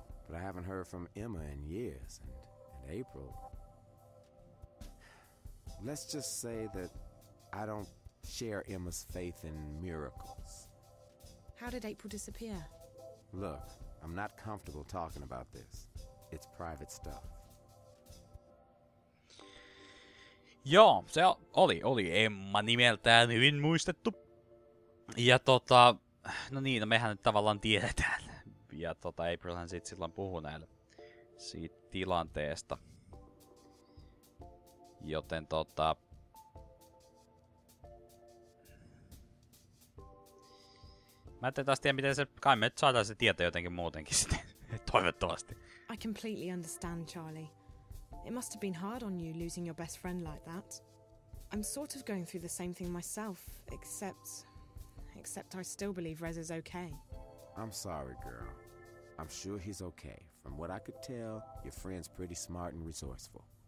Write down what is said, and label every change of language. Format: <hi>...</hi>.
<en>But I haven't heard from Emma in years, and April. Let's just say that I don't share Emma's faith in miracles. How did April disappear? Look, I'm not comfortable talking about this. It's private stuff.</en> <fi>Joo, se oli Emma nimeltään, hyvin muistettu. Ja no niin, no mehän nyt tavallaan tiedetään. Ja Aprilhan sit silloin puhui näille siitä tilanteesta. Joten mä ettei taas tiedä, miten se, kai me nyt saadaan se tieto jotenkin muutenkin sitten, toivottavasti.</fi> <en>I completely understand, Charlie. It must have been hard on you losing your best friend like that. I'm sort of going through the same thing myself, except I still believe Reza's okay. I'm sorry, girl. I'm sure he's okay. From what I could tell, your friend's pretty smart and resourceful.</en>